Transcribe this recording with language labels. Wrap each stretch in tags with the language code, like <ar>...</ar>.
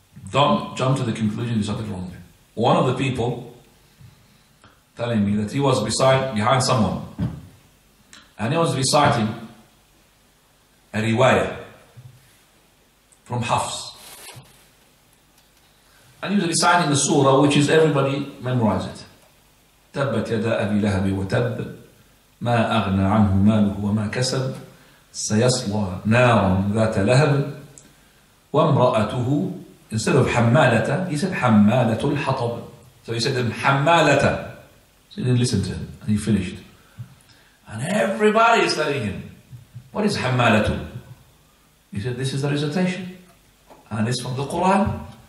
<en>Don't jump to the conclusion you something wrong. One of the people telling me that he was behind someone and he was reciting a riwayah from Hafs. And he was reciting the surah, which is everybody memorize it.</en> <ar>تبت يدا أبي لهب وتب ما أغنى عنه ماله وما كسب سيصلى نارا ذات لهب وامرأته.</ar> <en>Instead of حمالة, he said</en> <ar>حمالة الحطب.</ar> <en>So he said حمالة. So he didn't listen to him and he finished. And everybody is telling him, what is حمالة? He said, this is the recitation. And it's from the Quran.</en>